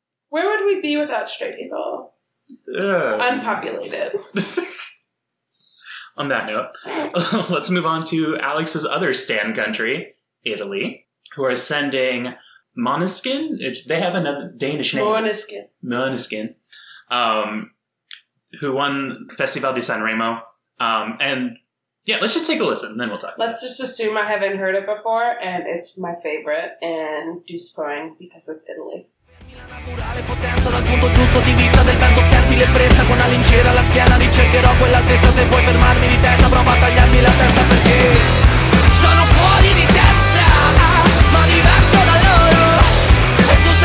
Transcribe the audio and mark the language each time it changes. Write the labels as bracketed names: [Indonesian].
[English] Where would we be without straight people? Unpopulated. On that note, let's move on to Alex's other stan country, Italy, who are sending... Måneskin? They have another Danish name. Måneskin. Who won Festival di Sanremo. And let's just take a listen, and then we'll talk. Let's just assume I haven't heard it before, and it's my favorite, and do spring because it's Italy. [Italian] Potenza dal punto giusto di vista del vento, senti l'ebbrezza con la lincera alla schiena, ricercherò quell'altezza, se vuoi fermarmi di testa, prova a tagliarmi la testa perché sono fuori di testa, ma diverso da loro.